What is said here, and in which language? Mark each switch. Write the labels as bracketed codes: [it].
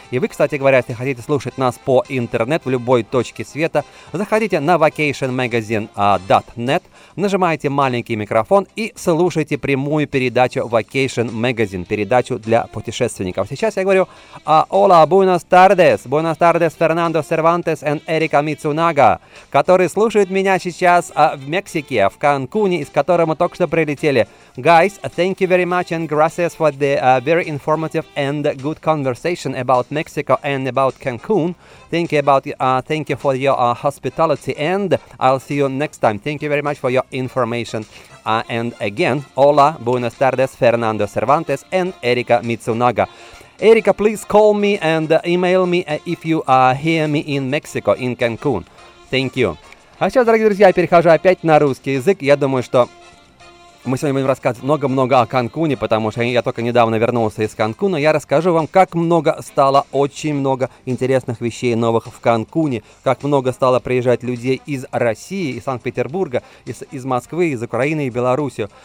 [ru] И вы, кстати говоря, если хотите слушать нас по интернет в любой точке света, заходите на vacationmagazine.net, нажимайте маленький микрофон и слушайте прямую передачу Vacation Magazine, передачу для путешественников. Сейчас я говорю [es] «Hola, buenas tardes!» «Buenas tardes, [ru] Fernando Cervantes and Erika Mitsunaga», которые слушают меня сейчас в Мексике, в Канкуне, из которого мы только что прилетели. [en] «Guys, thank you very much and gracias for the very informative and good conversation about Mexico and about Cancun. Thank you for your hospitality and I'll see you next time. Thank you very much for your information. And again, [es] hola, buenas tardes, [en] Fernando Cervantes and Erika Mitsunaga. Erika, please call me and email me if you hear me in Mexico, in Cancun. Thank you. [ru] А сейчас, дорогие друзья, я перехожу опять на русский язык. Я думаю, что мы сегодня будем рассказывать много-много о Канкуне, потому что я только недавно вернулся из Канкуна. Я расскажу вам, как много стало, очень много интересных вещей новых в Канкуне, как много стало приезжать людей из России, из Санкт-Петербурга, из Москвы, из Украины и Беларуси.